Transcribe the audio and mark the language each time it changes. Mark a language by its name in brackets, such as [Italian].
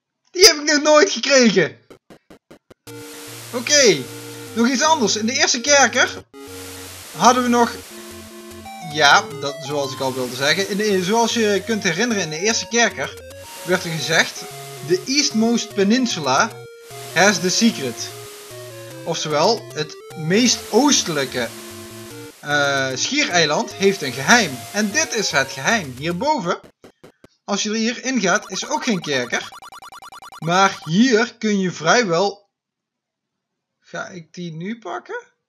[Dutch] Die heb ik nog nooit gekregen! Oké, nog iets anders. In de eerste kerker hadden we nog... Ja, dat, zoals ik al wilde zeggen. Zoals je kunt herinneren, in de eerste kerker werd er gezegd... [English] The Eastmost Peninsula has the secret. [Dutch] Oftewel, het meest oostelijke schiereiland heeft een geheim. En dit is het geheim. Hierboven, als je er hier ingaat, is ook geen kerker. Maar hier kun je vrijwel... Ga ik die nu pakken?